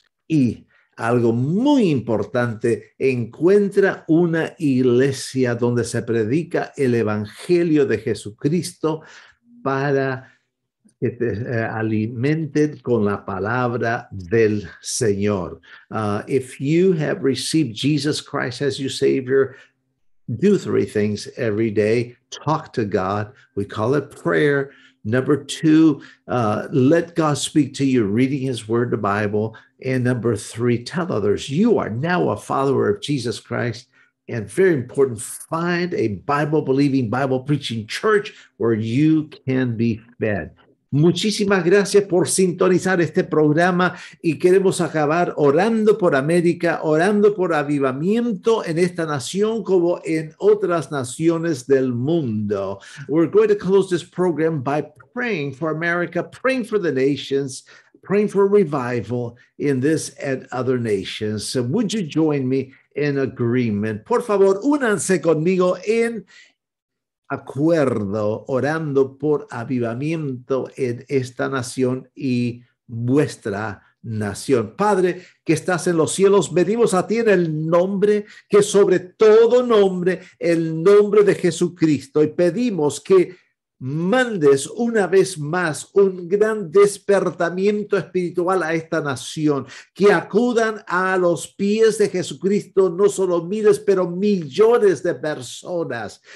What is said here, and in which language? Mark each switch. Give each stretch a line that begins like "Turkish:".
Spanish: Y algo muy importante, encuentra una iglesia donde se predica el Evangelio de Jesucristo para que te alimenten con la palabra del Señor.
English: If you have received Jesus Christ as your Savior, do three things every day. Talk to God. We call it prayer. Number two, let God speak to you, reading His Word, the Bible. And number three, tell others you are now a follower of Jesus Christ. And very important, find a Bible-believing, Bible-preaching church where you can be fed.
Spanish: Muchísimas gracias por sintonizar este programa y queremos acabar orando por América, orando por avivamiento en esta nación como en otras naciones del mundo.
English: We're going to close this program by praying for America, praying for the nations, praying for revival in this and other nations. So would you join me in agreement?
Spanish: Por favor, únanse conmigo en acuerdo, orando por avivamiento en esta nación y vuestra nación. Padre, que estás en los cielos, venimos a ti en el nombre, que sobre todo nombre, el nombre de Jesucristo, y pedimos que mandes una vez más un gran despertamiento espiritual a esta nación, que acudan a los pies de Jesucristo, no solo miles, pero millones de personas.